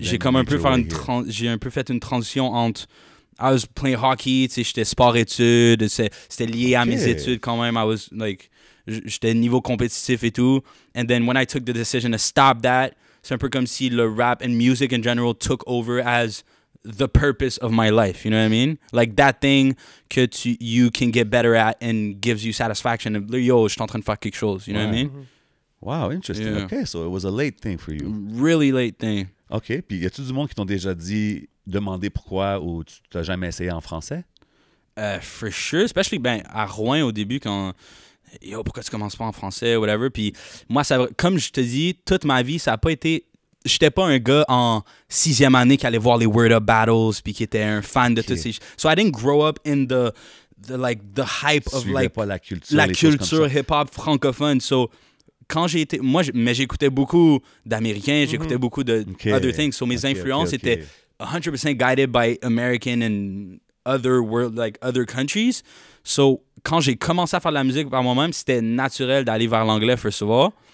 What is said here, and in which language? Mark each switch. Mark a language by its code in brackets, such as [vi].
[fr] j'ai comme un peu fait une transition entre [en] I was playing hockey, [fr] tu sais, j'étais sport études, c'était lié à mes études quand même. [en] I was like, [fr] j'étais niveau compétitif et tout. [en] And then when I took the decision to stop that, [fr] c'est un peu comme si le rap [en] and music in general took over as the purpose of my life, you know what I mean? Like that thing that you can get better at and gives you satisfaction. [fr] Yo, je suis en train de faire quelque chose, [en] you know what I mean? Wow, interesting. Yeah. Okay, so it was a late thing for you. Really late thing. [fr] Okay, puis y a-tu du monde qui t'ont déjà dit, demandé pourquoi ou tu t'as jamais essayé en français? [en] For sure, especially [fr] ben, à Rouyn au début quand... Yo, pourquoi tu commences pas en français, whatever. Puis moi, ça, comme je te dis, toute ma vie, ça a pas été... J'étais pas un gars en sixième année qui allait voir les Word Up Battles puis qui était un fan de toutes ces... [en] So I didn't grow up in the like, the hype of, like... [fr] pas la culture. La culture hip-hop francophone. So, quand j'ai été... Moi, mais j'écoutais beaucoup d'Américains, j'écoutais beaucoup de [en] other things. So [fr] mes influences étaient [en] 100% guided by American and other world, like, other countries. So... [fr] Quand j'ai commencé à faire de la musique par moi-même, c'était naturel d'aller vers l'anglais, [en] first of all.